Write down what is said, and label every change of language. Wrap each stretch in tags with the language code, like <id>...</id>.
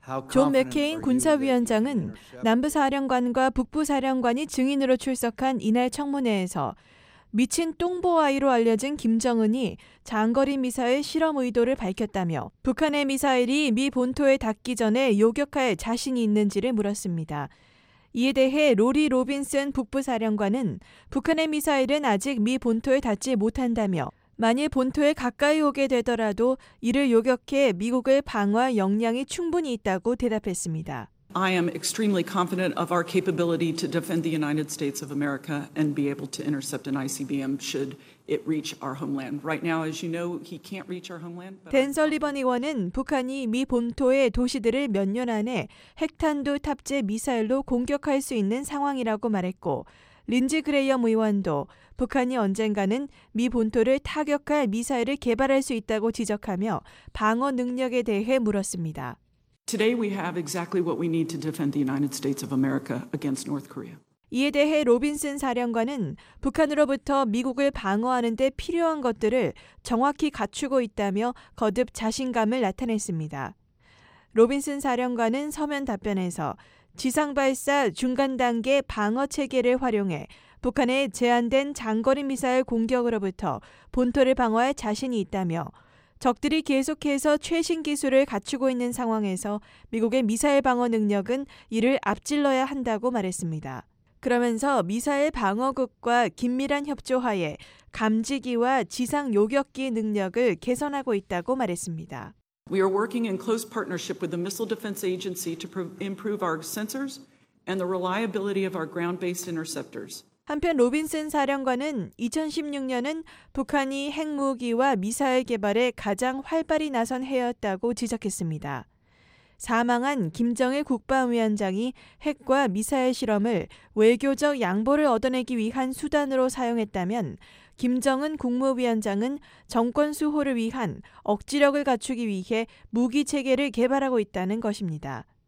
<ko>존 맥케인 군사위원장은 남부사령관과 북부사령관이 증인으로 출석한 이날 청문회에서 미친 똥보아이로 알려진 김정은이 장거리 미사일 실험 의도를 밝혔다며 북한의 미사일이 미 본토에 닿기 전에 요격할 자신이 있는지를 물었습니다. 이에 대해 로리 로빈슨 북부사령관은 북한의 미사일은 아직 미 본토에 닿지 못한다며 만일 본토에 가까이 오게 되더라도 이를 요격해 미국을 방어할 역량이 충분히 있다고 대답했습니다.</ko> <en>I am extremely confident of our capability to defend the United States of America and be able to intercept an ICBM should it reach our homeland. Right now, as you know, he can't reach our homeland.</en> <ko>댄 설리번 의원은 북한이 미 본토의 도시들을 몇 년 안에 핵탄두 탑재 미사일로 공격할 수 있는 상황이라고 말했고 린지 그레이엄 의원도 북한이 언젠가는 미 본토를 타격할 미사일을 개발할 수 있다고 지적하며 방어 능력에 대해 물었습니다.</ko> <en>Today we have exactly what we need to defend the United States of America against North Korea.</en> <ko>이에 대해 로빈슨 사령관은 북한으로부터 미국을 방어하는 데 필요한 것들을 정확히 갖추고 있다며 거듭 자신감을 나타냈습니다. 로빈슨 사령관은 서면 답변에서 지상 발사 중간 단계 방어 체계를 활용해 북한의 제한된 장거리 미사일 공격으로부터 본토를 방어할 자신이 있다며 적들이 계속해서 최신 기술을 갖추고 있는 상황에서 미국의 미사일 방어 능력은 이를 앞질러야 한다고 말했습니다. 그러면서 미사일 방어국과 긴밀한 협조하에 감지기와 지상 요격기 능력을 개선하고 있다고 말했습니다.</ko> <en>We are working in close partnership with the Missile Defense Agency to improve our sensors and the reliability of our ground-based interceptors.</en> <ko>한편 로빈슨 사령관은 2016년은 북한이 핵무기와 미사일 개발에 가장 활발히 나선 해였다고 지적했습니다. 사망한 김정일 국방위원장이 핵과 미사일 실험을 외교적 양보를 얻어내기 위한 수단으로 사용했다면 김정은 국무위원장은 정권 수호를 위한 억지력을 갖추기 위해 무기 체계를 개발하고 있다는 것입니다.</ko>